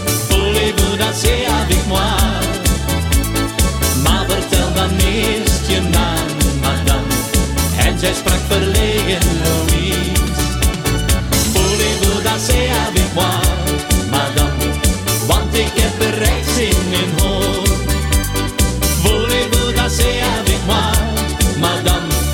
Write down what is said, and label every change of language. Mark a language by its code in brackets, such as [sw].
[fr] Voulez-vous danser avec moi? [nl] Maar vertel dan eerst je naam, madame. En zij sprak verlegen, Louise. [fr] Voulez-vous danser avec moi, madame? [nl] Want ik heb er reeds in mijn hoofd. [fr] Voulez-vous danser avec moi, madame?